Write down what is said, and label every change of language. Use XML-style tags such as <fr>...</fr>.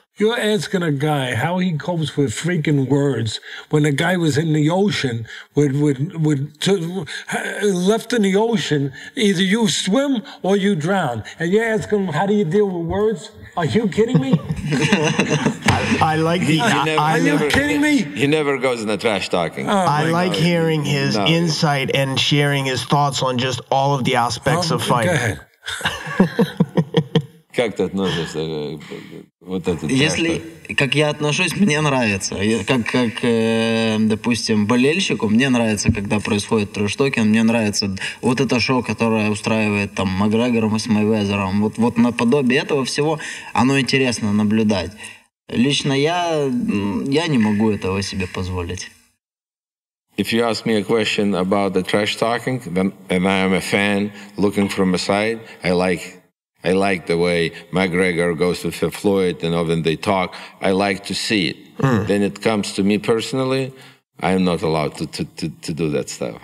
<en>You're asking a guy how he copes with freaking words when a guy was in the ocean, left in the ocean, either you swim or you drown. And you're asking him, how do you deal with words? Are you kidding me? Are you kidding me? He never goes in the trash talking. Hearing his insight and sharing his thoughts on just all of the aspects of fighting. Go ahead.</en> <ru>Как ты относишься вот этот? Если, как я отношусь, мне нравится. Допустим, болельщику, мне нравится, когда происходит трэш-токинг, мне нравится вот это шоу, которое устраивает там Макгрегором и с Мейвезером. Вот наподобие этого всего, оно интересно наблюдать. Лично я не могу этого себе позволить.</ru> <en>If you ask me a question about the trash talking, then and I am a fan looking from a side, I like the way McGregor goes with Floyd, and often they talk. I like to see it. Then it comes to me personally, I am not allowed to do that stuff.</en>